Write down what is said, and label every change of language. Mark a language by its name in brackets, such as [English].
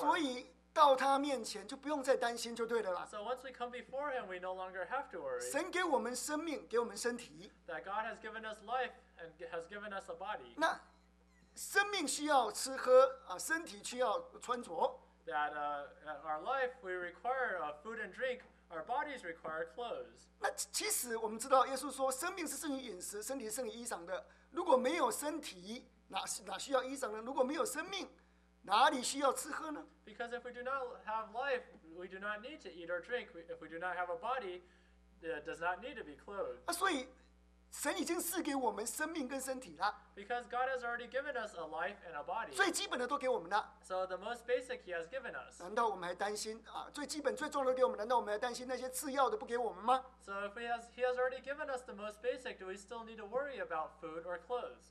[Chinese] 所以到他面前就不用再担心就对了啦。 [English] So once we come before him, we no longer have to worry. [Chinese] 神给我们生命，给我们身体。 [English] That God has given us life and has given us a body. [Chinese] 那生命需要吃喝啊，身体需要穿着。 [English] That our life we require food and drink. Our bodies require clothes. [Chinese] 那其实我们知道，耶稣说，生命是胜于饮食，身体是胜于衣裳的。如果没有身体，哪需要衣裳呢？如果没有生命，哪里需要吃喝呢？ [English] Because if we do not have life, we do not need to eat or drink. If we do not have a body, it does not need to be clothed. [Chinese] 啊，所以神已经赐给我们生命跟身体了。 [English] Because God has already given us a life and a body. [Chinese] 最基本的都给我们了。 [English] So the most basic He has given us. [Chinese] 难道我们还担心啊？最基本、最重要的给我们，难道我们还担心那些次要的不给我们吗 [English] ？So if He has already given us the most basic, do we still need to worry about food or clothes?